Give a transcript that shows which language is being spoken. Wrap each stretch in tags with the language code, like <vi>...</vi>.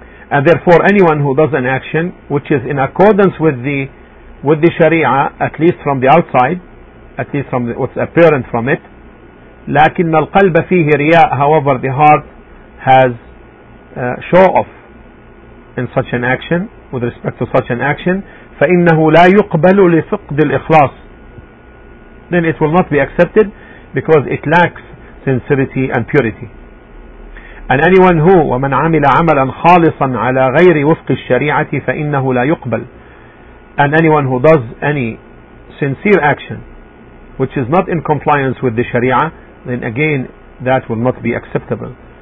<en>And therefore, anyone who does an action which is in accordance with the Sharia, at least from the outside, at least from the, what's apparent from it,</en> <ar>لكن القلب فيه رياء,</ar> <en>however the heart has show off in such an action, with respect to such an action,</en> <ar>فإنه لا يقبل لفقد الإخلاص,</ar> <en>then it will not be accepted because it lacks sincerity and purity. And anyone who,</en> <ar>ومن عمل عملا خالصا على غير وفق الشريعة فإنه لا يقبل.</ar> <en>And anyone who does any sincere action which is not in compliance with the Sharia, then again that will not be acceptable.</en>